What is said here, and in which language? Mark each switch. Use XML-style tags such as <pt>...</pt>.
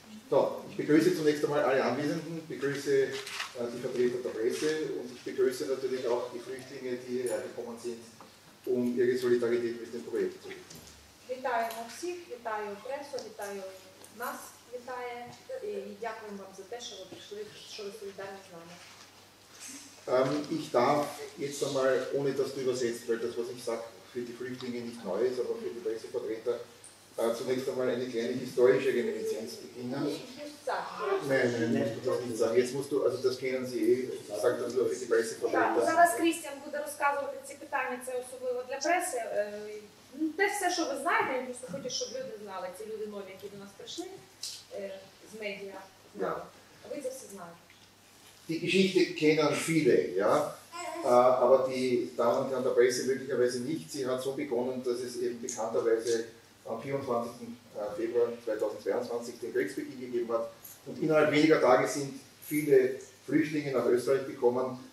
<de>So, ich begrüße zunächst einmal alle Anwesenden, begrüße die Vertreter der Presse und ich begrüße natürlich auch die Flüchtlinge, die hierher gekommen sind, um ihre Solidarität mit dem Projekt zu bieten.</de> <uk>Вітаємо всіх, вітаю пресу, вітаю нас, вітає, і дякуємо вам за те, що ви прийшли, що ви солідарні з нами.</uk> <de>Ich darf jetzt einmal, ohne dass du übersetzt, weil das, was ich sage, für die Flüchtlinge nicht neu ist, aber für die Pressevertreter, zunächst einmal eine kleine historische Reminiszenz beginnen. Nein, musst du das nicht sagen. Jetzt musst du, also das kennen sie eh, ich sage das nur für die Pressevertreter. Ja, und</de> <uk>зараз Christian буде розказувати ці питання, це особливо для преси. Те все, що ви знаєте, я просто хочу, щоб люди знали, ці люди нові, які до нас прийшли з медіа.</uk> <de>Ja.</de> <uk>Ви це все знаєте.</uk> <de>Die Geschichte kennen viele, ja, aber die Damen kann der Presse möglicherweise nicht. Sie hat so begonnen, dass es eben bekannterweise am 24. Februar 2022 den Kriegsbeginn gegeben hat. Und innerhalb weniger Tage sind viele Flüchtlinge nach Österreich gekommen.</de>